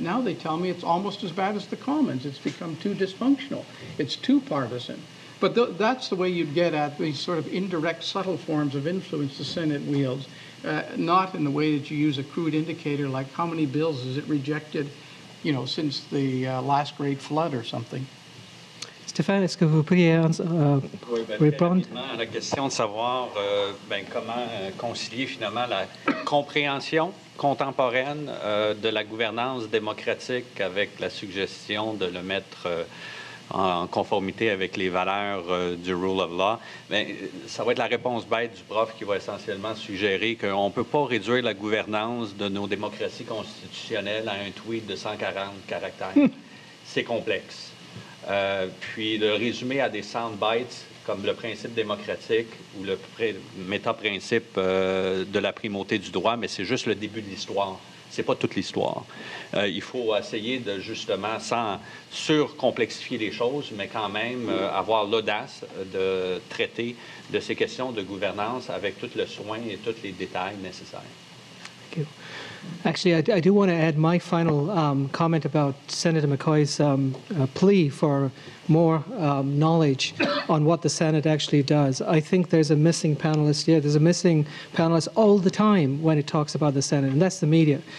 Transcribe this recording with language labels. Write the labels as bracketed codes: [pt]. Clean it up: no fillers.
[en] Now they tell me it's almost as bad as the Commons. It's become too dysfunctional. It's too partisan. But that's the way you'd get at these sort of indirect, subtle forms of influence the Senate wields, not in the way that you use a crude indicator like how many bills is it rejected, you know, since the last great flood or something. [fr] Stéphane, est-ce que vous pourriez répondre à la question de savoir comment concilier finalement la compréhension contemporaine de la gouvernance démocratique avec la suggestion de le mettre en conformité avec les valeurs du rule of law? Bien, ça va être la réponse bête du prof qui va essentiellement suggérer qu'on ne peut pas réduire la gouvernance de nos démocraties constitutionnelles à un tweet de 140 caractères. C'est complexe. Puis de résumer à des soundbites comme le principe démocratique ou le méta-principe de la primauté du droit, mais c'est juste le début de l'histoire. C'est pas toute l'histoire. Il faut essayer de, justement, sans surcomplexifier les choses, mais quand même avoir l'audace de traiter de ces questions de gouvernance avec tout le soin et tous les détails nécessaires. [en] Thank you. Actually, I do want to add my final comment about Senator McCoy's plea for more knowledge on what the Senate actually does. I think there's a missing panelist here. There's a missing panelist all the time when it talks about the Senate, and that's the media.